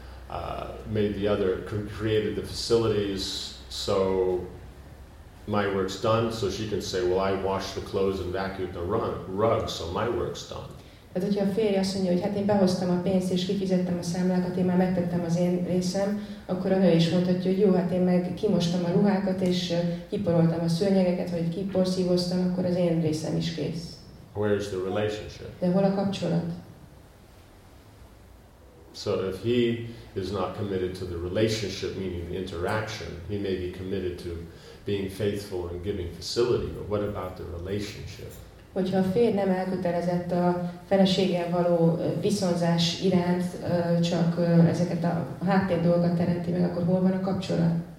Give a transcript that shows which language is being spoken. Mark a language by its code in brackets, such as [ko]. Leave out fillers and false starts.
[en] I made the money, created the facilities, so my work's done, so she can say, well, I washed the clothes and vacuumed the rug, so my work's done. [hu] Tehát, hogyha a férje azt mondja, hogy hát én behoztam a pénzt, és kifizettem a számlákat, én már megtettem az én részem, akkor a nő is mondhatja, hogy jó, hát én meg kimostam a ruhákat, és kiporoltam a szőnyegeket, vagy kiporszívoztam, akkor az én részem is kész. [en] Where is the relationship? [hu] De hol a kapcsolat? [en] So if he is not committed to the relationship, meaning the interaction, he may be committed to being faithful and giving facility, but what about the relationship? [hu] Hogyha a férj nem elkötelezett a feleséggel való viszonzás iránt, csak ezeket a háttér dolgokat teremti meg, akkor hol van a kapcsolat?